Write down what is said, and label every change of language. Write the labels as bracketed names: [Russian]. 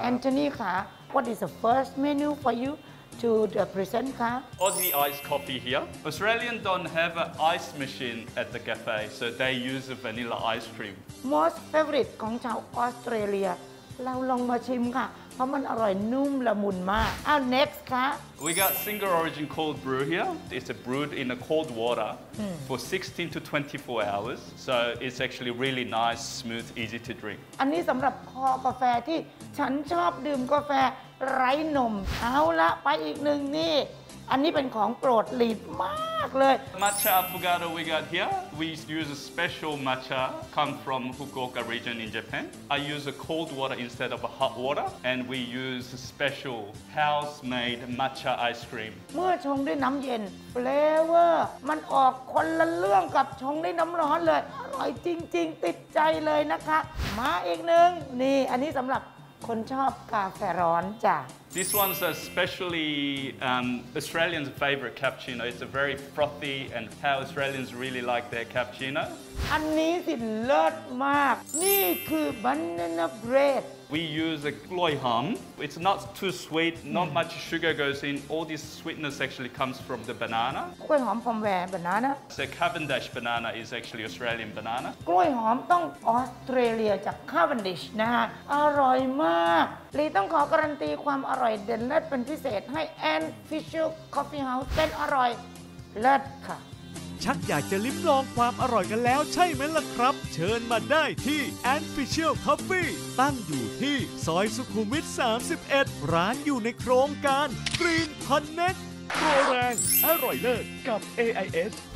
[English] แอนโทนีค่ะ What is the first menu for you to the present ค่ะ Aussie iced coffee here Australian don't have an ice machine at the cafe so they use a vanilla ice cream Most favorite [Thai] ของชาวออสเตรเลียเราลองมาชิมค่ะเพราะมันอร่อยนุ่มละมุนมากอ้าว next ค่ะ [English] We got single origin cold brew here. It's a brewed in a cold water for 16 to 24 hours. So it's actually really nice, smooth, easy to drink. [Thai] อันนี้สำหรับคอกาแฟที่ฉันชอบดื่มกาแฟไร้นมเอาละไปอีกหนึ่งนี่อันนี้เป็นของโปรดลีดมากเลย [English] Matcha Affogato we got here We use a special matcha come from Fukuoka region in Japan I use a cold water instead of a hot water and we use a special house made matcha ice cream [Thai] เมื่อชงด้วยน้ำเย็นเฟลเวอร์มันออกคนละเรื่องกับชงด้วยน้ำร้อนเลยอร่อยจริงๆติดใจเลยนะคะมาอีกหนึ่งนี่อันนี้สำหรับคนชอบกาแฟร้อนจ้ะ [English] This one's especially Australians' favorite cappuccino. It's a very frothy, and how Australians really like their cappuccino. [Thai] อันนี้สิเลิศมากนี่คือ banana bread. [English] We use a กล้วยหอม. It's not too sweet. Not much sugar goes in. All this sweetness actually comes from the banana. [Thai] กล้วยหอมของแหวน banana. [English] The Cavendish banana is actually Australian banana. [Thai] กล้วยหอมต้องออสเตรเลียจาก Cavendish นะฮะอร่อยมากลีต้องขอการันตีความอร่อยเด่นเลิศเป็นพิเศษให้ Ant Fisher Coffee House เป็นอร่อยเลิศค่ะ ชักอยากจะลิ้มลองความอร่อยกันแล้วใช่ไหมล่ะครับเชิญมาได้ที่ Ant Fisher Coffee ตั้งอยู่ที่ซอยสุขุมวิท31ร้านอยู่ในโครงการ Green Connect โปรแรงอร่อยเลิศกับ AIS